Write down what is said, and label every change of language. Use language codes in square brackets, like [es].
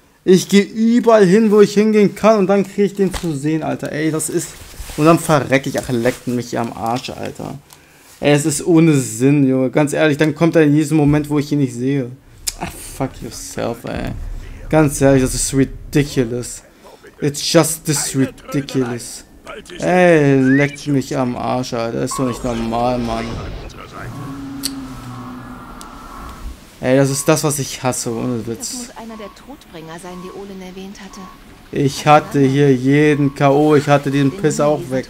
[de] Ich gehe überall hin, wo ich hingehen kann und dann kriege ich den zu sehen, Alter. Ey, das ist... Und dann verrecke ich. Ach, leckt mich hier am Arsch, Alter. Ey, es ist ohne Sinn, Junge. Ganz ehrlich, dann kommt er in diesem Moment, wo ich ihn nicht sehe. Ach, [en] fuck yourself, [de] ey. Ganz ehrlich, das ist ridiculous. [en] It's just this ridiculous. [de] Ey, leckt mich am Arsch, Alter. Das ist doch nicht normal, Mann. Ey, das ist das, was ich hasse, ohne Witz. Das muss einer der Todbringer sein, die Olin erwähnt hatte. Ich hatte hier jeden K.O., ich hatte diesen Piss auch weg.